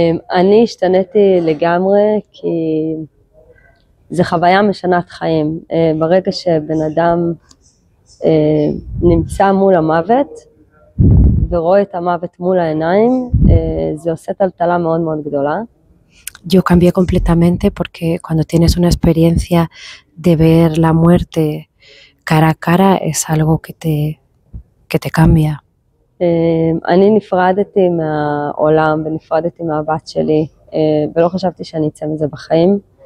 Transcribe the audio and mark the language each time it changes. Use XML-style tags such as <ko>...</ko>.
<he>אני השתניתי לגמרי כי זה חוויה משנת חיים. ברגע שבן אדם נמצא מול המוות ורואה את המוות מול העיניים, זה עושה טלטלה מאוד מאוד גדולה.</he> <es>Yo cambié completamente porque cuando tienes una experiencia de ver la muerte cara a cara es algo que te cambia.</es> <he>אני נפרדתי מהעולם ונפרדתי מהבת שלי ולא חשבתי שאני אצא מזה בחיים.</he>